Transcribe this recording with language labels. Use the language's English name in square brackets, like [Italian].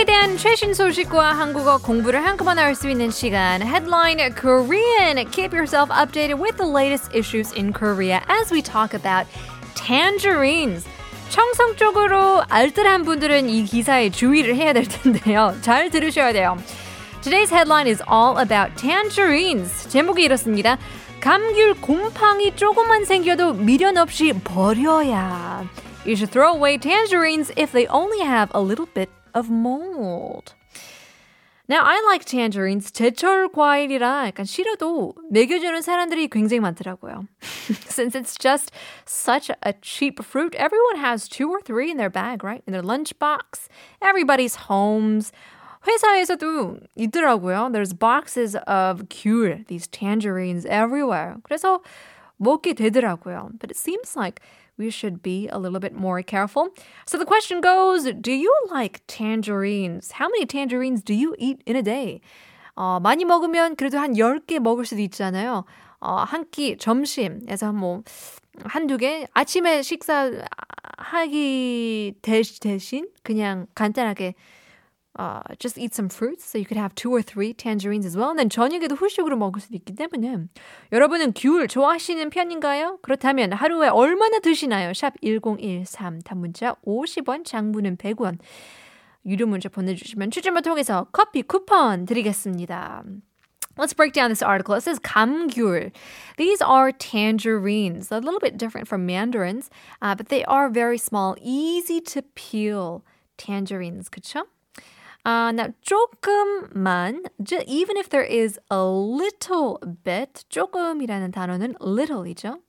[Korean] 요즘 최신 소식과 한국어 공부를 한꺼번에 할 수 있는 시간 Headline Korean. [English] Keep yourself updated with the latest issues in Korea as we talk about tangerines. [Korean] 청성적으로 알뜰한 분들은 이 기사에 주의를 해야 될 텐데요. 잘 들으셔야 돼요. [English] Today's headline is all about tangerines. [Korean] 제목이 이렇습니다. 감귤 곰팡이 조금만 생겨도 미련 없이 버려야. [English] You should throw away tangerines if they only have a little bit of mold. Now, I like tangerines. [Korean] 제철 과일이라 약간 싫어도 먹여주는 사람들이 굉장히 많더라고요. [English] Since it's just such a cheap fruit, everyone has two or three in their bag, right? In their lunchbox, everybody's homes. [Korean] 회사에서도 있더라고요. [English] There's boxes of 귤, these tangerines everywhere. [Korean] 그래서 먹게 되더라고요. [English] But it seems like we should be a little bit more careful. So the question goes, do you like tangerines? How many tangerines do you eat in a day? [Korean] 많이 먹으면 그래도 한 10개 먹을 수도 있잖아요. 한 끼 점심에서 뭐 한두 개, 아침에 식사하기 대신 그냥 간단하게 [English] just eat some fruits, so you could have two or three tangerines as well. And then [Korean] 저녁에도 후식으로 먹을 수도 있기 때문에 여러분은 귤 좋아하시는 편인가요? 그렇다면 하루에 얼마나 드시나요? 샵 1013, 단문자 50원, 장문은 100원. 유료 문자 보내주시면 추첨을 통해서 커피 쿠폰 드리겠습니다. [English] Let's break down this article. It says 감귤. These are tangerines, a little bit different from mandarins, but they are very small, easy to peel tangerines, [Korean] 그쵸? [English] Now, 조금만, even if there is a little bit, [Korean] 조금이라는 단어는 [English] little이죠.